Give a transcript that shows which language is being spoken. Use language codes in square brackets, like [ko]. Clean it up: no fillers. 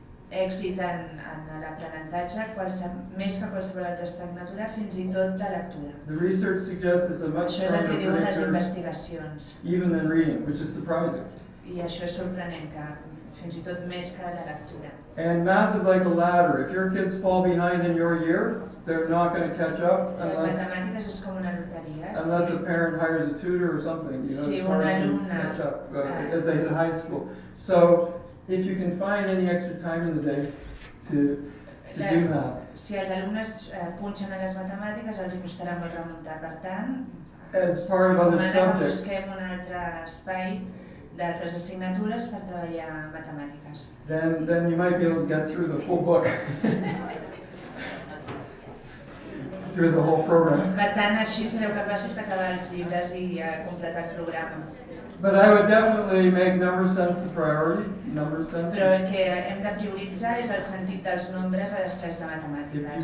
[ca] Èxit en l'aprenentatge, més que qualsevol altra assignatura, fins i tot la lectura. [en] The research suggests it's a much stronger predictor. [ca] Això és el que diuen les investigacions. [en] Even than reading, which is surprising. [ca] I això és sorprenent, que fins i tot més que la lectura. [en] And math is like a ladder. If your kids fall behind in your year, they're not going to catch up. [ca] Les matemàtiques és com una loteria. [en] Unless a parent hires a tutor or something, you know, [ca] sí, [en] it's hard to catch up as they hit high school. So if you can find any extra time in the day to do math. [ca] Si els alumnes punxen a les matemàtiques, els costarà molt remuntar. Per tant, [en] as part of other subjects, [ca] busquem un altre espai d'altres assignatures per treballar matemàtiques. [en] Then you might be able to get through the full book. through the whole program. [ca] Per tant, així sereu capaços d'acabar els llibres i completar el programa. [en] But I would definitely make number sense the priority, number sense. [ca] Però el que hem de prioritzar és el sentit dels nombres a les classes de matemàtiques.